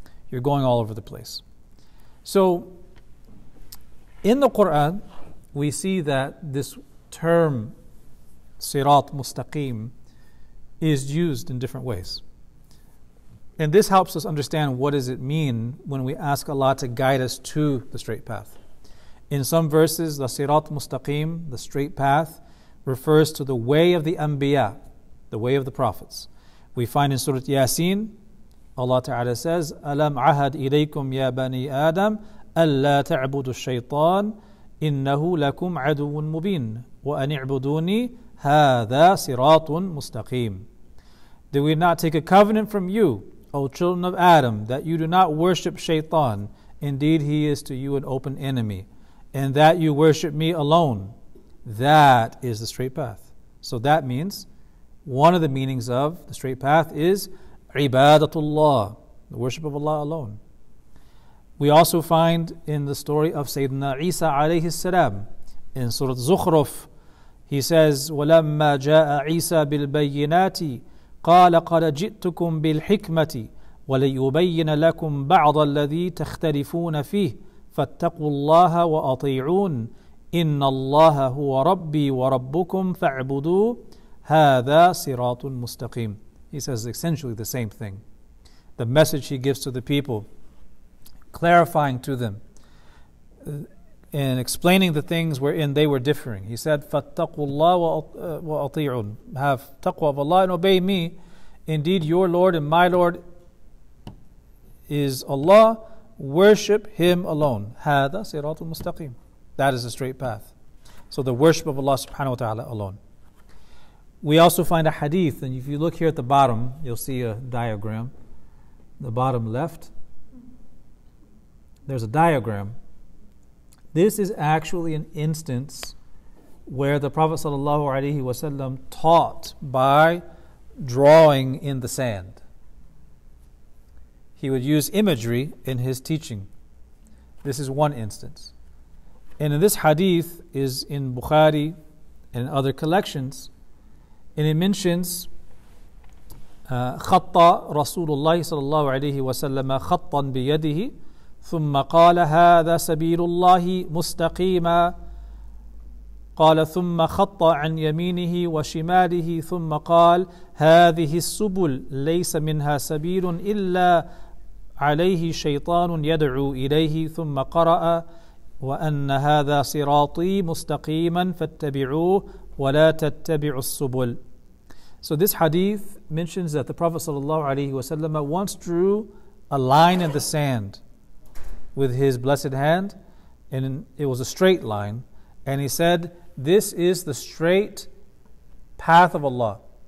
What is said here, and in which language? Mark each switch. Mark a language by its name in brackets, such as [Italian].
[English] You're going all over the place. So, in the Quran, we see that this term, Sirat Mustaqim, is used in different ways. And this helps us understand what does it mean when we ask Allah to guide us to the straight path. In some verses, the Sirat Mustaqim, the straight path, refers to the way of the Anbiya, the way of the prophets. We find in Surah Yasin, Allah Ta'ala says, [Arabic] أَلَمْ عَهَدْ إِلَيْكُمْ يَا بَنِي آدَمْ أَلَّا تَعْبُدُ الشَّيْطَانِ إِنَّهُ لَكُمْ عَدُوٌ مُبِينٌ وَأَنِ اعْبُدُونِي هَذَا صِرَاطٌ مُسْتَقِيمٌ. [English] Did we not take a covenant from you, O children of Adam, that you do not worship Shaytan? Indeed, he is to you an open enemy. And that you worship me alone. That is the straight path. So that means, one of the meanings of the straight path is ibadatullah, the worship of Allah alone. We also find in the story of Sayyidina Isa alayhi salam, in Surah Zukhruf, he says, [Arabic] وَلَمَّا جَاءَ عِيسَى بِالْبَيِّنَاتِ قَالَ قَدَ جِئْتُكُمْ بِالْحِكْمَةِ وَلَيُبَيِّنَ لَكُمْ بَعْضَ الَّذِي تَخْتَلِفُونَ فِيهِ فَاتَّقُوا اللَّهَ وَأَطِيعُونَ إِنَّ اللَّهَ هُوَ رَبِّي وَرَبُّكُمْ فَاعْبُدُوهُ هَذَا صِرَاطٌ مُسْتَقِيمٌ. [English] He says essentially the same thing. The message he gives to the people, clarifying to them and explaining the things wherein they were differing. He said, [Arabic] فَاتَّقُوا اللَّهَ وَأَطِيعُونَ. [English] Have taqwa of Allah and obey me. Indeed, your Lord and my Lord is Allah. Worship him alone. [Arabic] هَذَا صِرَاطٌ مُسْتَقِيمٌ. [English] That is a straight path. So the worship of Allah subhanahu wa ta'ala alone. We also find a hadith, and if you look here at the bottom, you'll see a diagram. The bottom left, there's a diagram. This is actually an instance where the Prophet sallallahu alaihi wasallam taught by drawing in the sand. He would use imagery in his teaching. This is one instance. And in this hadith is in Bukhari and other collections. [Arabic] And it mentions خطى رسول الله صلى الله عليه وسلم خطا بيده ثم قال هذا سبيل الله مستقيما قال ثم خطى عن يمينه وشماله ثم قال هذه السبل ليس منها سبيل إلا عليه شيطان يدعو إليه ثم قرأ وأن هذا صراطي مستقيما فاتبعوه ولا تتبعوا السبل. [English] So this hadith mentions that the Prophet sallallahu alaihi wasallam once drew a line in the sand with his blessed hand, and it was a straight line, and he said, this is the straight path of Allah.